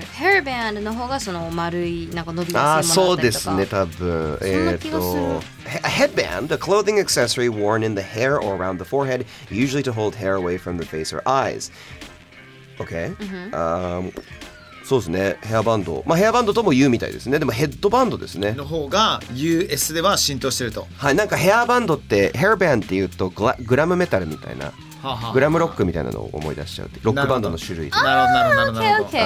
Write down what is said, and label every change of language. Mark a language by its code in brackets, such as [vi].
[ja] ヘアバンドの方がその丸い、なんか伸びやすいものだったりとか。あ、そうですね、多分。そんな気がする。 [en] A headband, a clothing accessory worn in the hair or around the forehead, usually to hold hair away from the face or eyes. Okay. Mm-hmm. [ja] そうですね、ヘアバンド、まあ、ヘアバンドとも言うみたいですね。でもヘッドバンドですねの方が US では浸透してると。はい、なんかヘアバンドってヘアバンドって言うとグラムメタルみたいな、はあはあ、グラムロックみたいなのを思い出しちゃうって。ロックバンドの種類。なるほどなるほどなるほど。